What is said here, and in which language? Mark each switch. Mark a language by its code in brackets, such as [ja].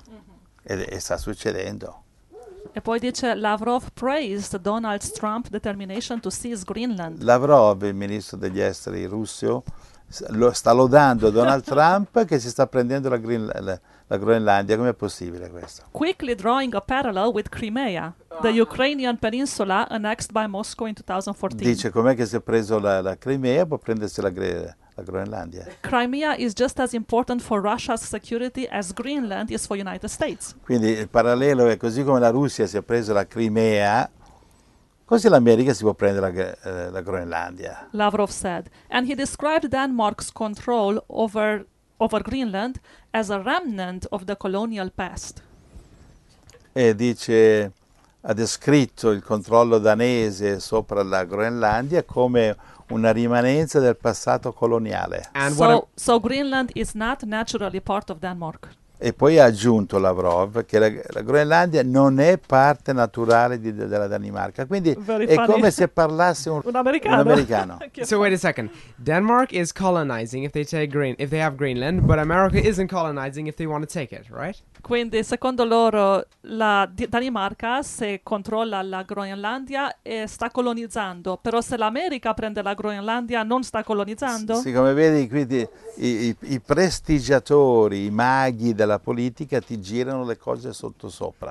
[it] Mm-hmm. E sta succedendo. E poi dice: [en] Lavrov praised Donald Trump's determination to seize Greenland. [it] Lavrov, il ministro degli esteri russo, lo sta lodando Donald Trump che si sta prendendo la Groenlandia. Com'è possibile questo? [en] Quickly drawing a parallel with Crimea, the Ukrainian peninsula annexed by Moscow in 2014. [it] Dice: com'è che si è preso la Crimea, può prendersi la Groenlandia. [en] Crimea is just as important for Russia's security as Greenland is for United States. [it] Quindi il parallelo è: così come la Russia si è presa la Crimea, così l'America si può prendere la Groenlandia. [en] Lavrov said, and he described Denmark's control over Greenland as a remnant of the colonial past. [it] E dice, ha descritto il controllo danese sopra la Groenlandia come una rimanenza del passato coloniale. [en] So Greenland is not naturally part of Denmark. [it] E poi ha aggiunto Lavrov che la Groenlandia non è parte naturale della Danimarca. Quindi è come se parlasse un americano. [en] So wait a second. Denmark is colonizing if they have Greenland, but America isn't colonizing if they want to take it, right? [it] Quindi secondo loro la Danimarca, se controlla la Groenlandia, sta colonizzando, però se l'America prende la Groenlandia non sta colonizzando. Sì, come vedi, quindi i prestigiatori, i maghi della politica ti girano le cose sotto sopra.